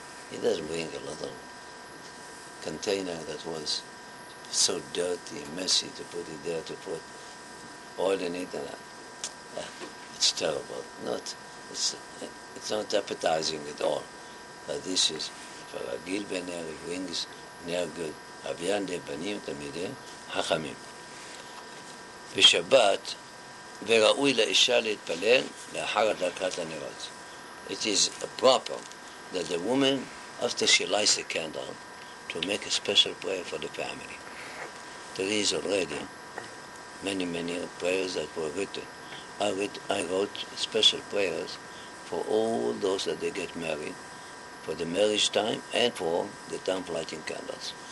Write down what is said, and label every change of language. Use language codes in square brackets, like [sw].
[en] He doesn't bring a little container that was so dirty and messy to put it there, to put oil in it. And it's terrible. It's not appetizing at all. But this is for a gil b'ner, he brings ner good. Avyan lebanim tamideh hachamim. [he] בשבת וראוי לאישה להתפלל לאחר הדלקת הנרות. [en] It is proper that the woman, after she lights the candle, to make a special prayer for the family. There is already many, many prayers that were written. I wrote special prayers for all those that they get married, for the marriage time, and for the time for lighting candles.